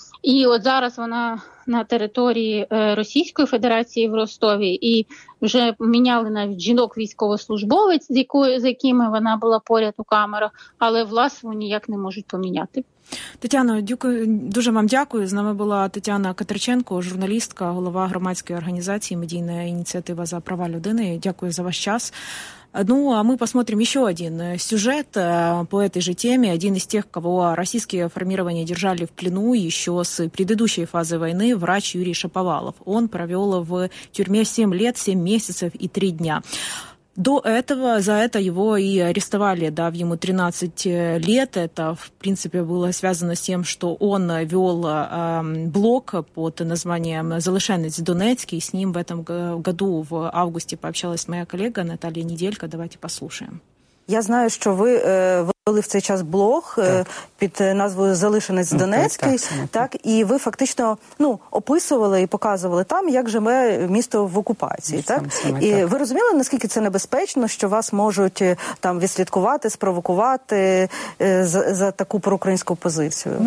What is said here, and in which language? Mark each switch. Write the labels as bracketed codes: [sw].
[uk] І от зараз вона на території Російської Федерації в Ростові, і вже міняли навіть жінок-військовослужбовець, з якими вона була поряд у камерах, але власне ніяк не можуть поміняти. Тетяно, дуже вам дякую. З нами була Тетяна Катерченко, журналістка, голова громадської організації «Медійна ініціатива за права людини». Дякую за ваш час. [ru] Ну, а мы посмотрим еще один сюжет по этой же теме. Один из тех, кого российские формирования держали в плену еще с предыдущей фазы войны, врач Юрий Шаповалов. Он провел в тюрьме 7 лет, 7 месяцев и 3 дня. До этого, за это его и арестовали, дав ему 13 лет. Это, в принципе, было связано с тем, что он вел блог под названием «Залишенець Донецький». С ним в этом году, в августе, пообщалась моя коллега Наталья Неделько. Давайте послушаем. [uk] Я знаю, що ви вели в цей час блог під назвою «Залишенець Донецький», так, і ви фактично описували і показували там, як же ми місто в окупації. Ну, так? Саме, ви розуміли, наскільки це небезпечно, що вас можуть там відслідкувати, спровокувати за таку проукраїнську позицію?